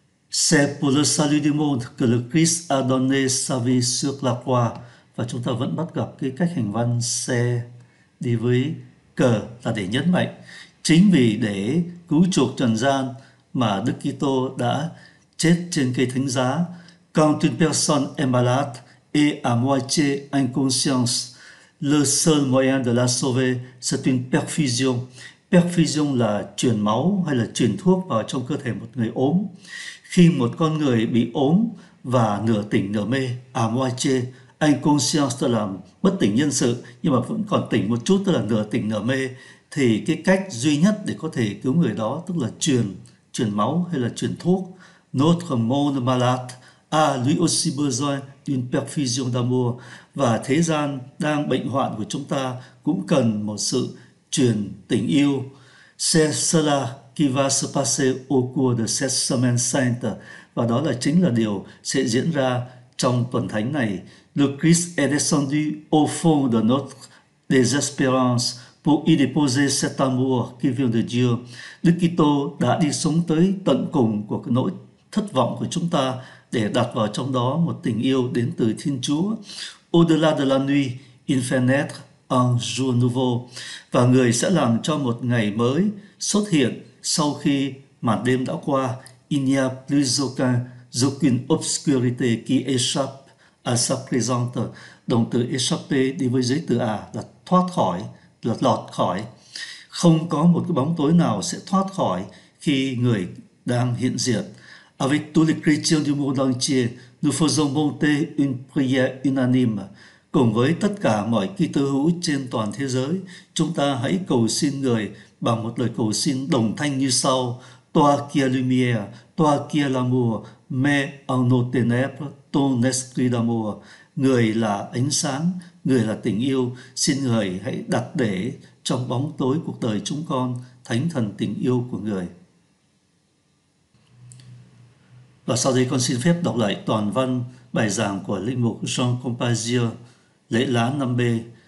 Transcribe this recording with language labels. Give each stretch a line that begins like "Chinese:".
Vietnamese: Se polosalidimon clerkis adonai savi sur la qua, và chúng ta vẫn bắt gặp cái cách hành văn se đi với cờ là để nhấn mạnh chính vì để cứu chuộc trần gian mà Đức Kitô đã chết trên cây thánh giá.
French: Quand une personne est malade et à moitié inconsciente, le seul moyen de la sauver, c'est une perfusion.
Vietnamese: Perfusion là truyền máu hay là truyền thuốc vào trong cơ thể một người ốm. Khi một con người bị ốm và nửa tỉnh nửa mê,
French: à moitié inconsciente
Vietnamese: tức là bất tỉnh nhân sự nhưng mà vẫn còn tỉnh một chút tức là nửa tỉnh nửa mê, thì cái cách duy nhất để có thể cứu người đó tức là truyền máu hay là truyền thuốc.
French: Notre monde malade a lui aussi besoin d'une perfusion d'amour,
Vietnamese: và thế gian đang bệnh hoạn của chúng ta cũng cần một sự truyền tình yêu.
French: C'est cela qui va se passer au cours de cette semaine sainte,
Vietnamese: và đó là chính là điều sẽ diễn ra trong tuần thánh này.
French: Le Christ est descendu au fond de notre désespérance pour y déposer cet amour qui vient de Dieu.
Vietnamese: Đức Kitô đã đi xuống tới tận cùng của cái nỗi thất vọng của chúng ta để đặt vào trong đó một tình yêu đến từ Thiên Chúa.
French: Au-delà de la nuit, il fait naître un jour nouveau,
Vietnamese: và người sẽ làm cho một ngày mới xuất hiện sau khi màn đêm đã qua.
French: Il n'y a plus aucune obscurité qui échappe à sa présence.
Vietnamese: Động từ échapper đi với giới từ à là thoát khỏi, là lọt khỏi. Không có một cái bóng tối nào sẽ thoát khỏi khi người đang hiện diện.
French: Avec tous les chrétiens du monde entier, nous faisons monter une prière unanime.
Vietnamese: Cùng với tất cả mọi Kitô hữu trên toàn thế giới, chúng ta hãy cầu xin người bằng một lời cầu xin đồng thanh như sau.
French: Toi qui es lumière, toi qui es l'amour, mets en nos ténèbres ton esprit d'amour.
Vietnamese: Người là ánh sáng, người là tình yêu, xin người hãy đặt để trong bóng tối cuộc đời chúng con, thánh thần tình yêu của người. Và sau đây con xin phép đọc lại toàn văn bài giảng của Linh mục Jean Compassion, lễ lá 5B.